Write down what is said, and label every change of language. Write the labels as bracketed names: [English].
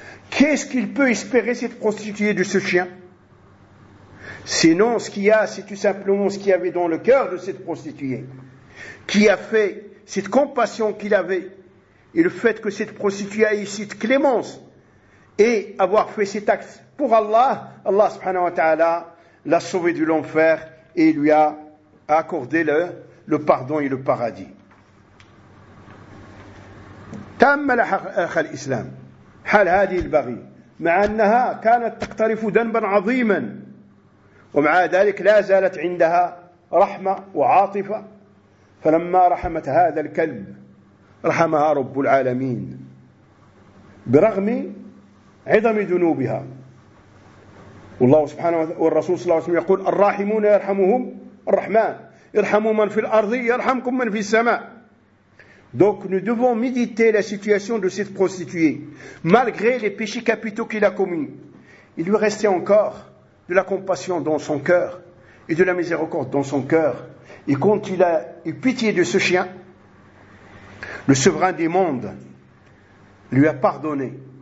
[French] Qu'est-ce qu'il peut espérer cette prostituée de ce chien? Sinon, ce qu'il y a, c'est tout simplement ce qu'il y avait dans le cœur de cette prostituée, qui a fait cette compassion qu'il avait, et le fait que cette prostituée ait cette clémence, et avoir fait cet acte pour Allah, Allah subhanahu wa ta'ala l'a sauvé de l'enfer et lui a accordé le pardon et le paradis. [Arabic] تأمل أخ الإسلام حال هذه البغي مع أنها كانت تقترف ذنبا عظيما ومع ذلك لا زالت عندها رحمة وعاطفة فلما رحمت هذا الكلب رحمها رب العالمين برغم عظم ذنوبها. والله سبحانه والرسول صلى الله عليه وسلم يقول الراحمون يرحمهم الرحمن، ارحموا من في الأرض يرحمكم من في السماء. [French] Donc nous devons méditer la situation de cette prostituée. Malgré les péchés capitaux qu'il a commis, il lui restait encore de la compassion dans son cœur et de la miséricorde dans son cœur. Et quand il a eu pitié de ce chien, le souverain des mondes lui a pardonné.